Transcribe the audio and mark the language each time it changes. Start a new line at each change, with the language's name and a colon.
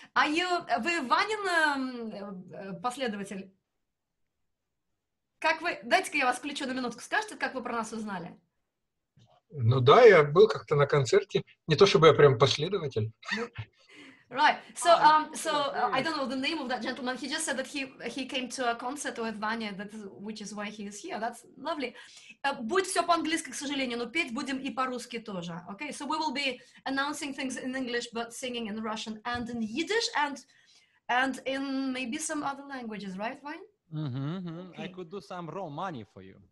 Russian: Вы Ванин последователь? Как вы, дайте-ка я вас включу на минутку, скажете, как вы про нас узнали? Ну да, я был как-то на концерте, не то чтобы я прям последователь.
English: Right, so I don't know the name of that gentleman, he just said that he came to a concert with Vanya, that, which is why he is here, that's lovely.
Russian: Будет все по-английски, к сожалению, но петь будем и по-русски тоже, okay?
English: So we will be announcing things in English, but singing in Russian and in Yiddish and in maybe some other languages, right, Vanya? Mm-hmm. Okay. I could do some Romani for you.